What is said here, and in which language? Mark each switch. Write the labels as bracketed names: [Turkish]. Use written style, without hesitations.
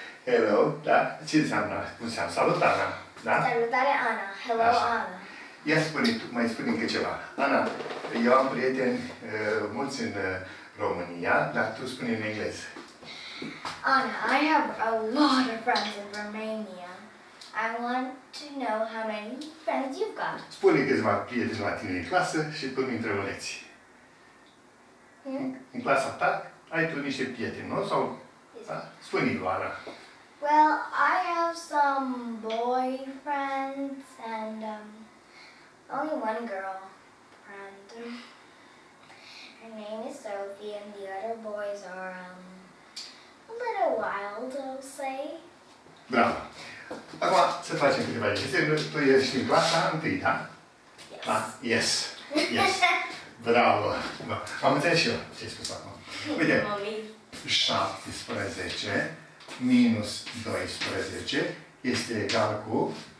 [Romanian] Hello, da? Ce înseamnă? Cum înseamnă? Salut, Ana. Da? Salutare, Ana. Hello, așa. Ana. Ia spune tu, mai spune încă ceva. Ana, eu am prieteni mulți în România, dar tu spune în engleză. [English] Ana, I have a lot of friends in Romania. I want to know how many friends you've got. [Romanian] Spune câțiva prieteni la tine în clasă și tu îmi întrebă lecții. În clasa ta ai tu niște prieteni, nu? Sau, spune-i lui Ana. [English] Well, I have some boy friends and only one girl friend. Her name is Sophie and the other boys are a little wild, I'll say. [Romanian] Bravo! Acum să facem câteva exemple. Tu ești în clasa întâi, da? [English] Yes. Yes. Yes. Bravo! [Romanian] Bă, am înțeles și eu ce ai spus acum. Uite, 17 minus 12 este egal cu...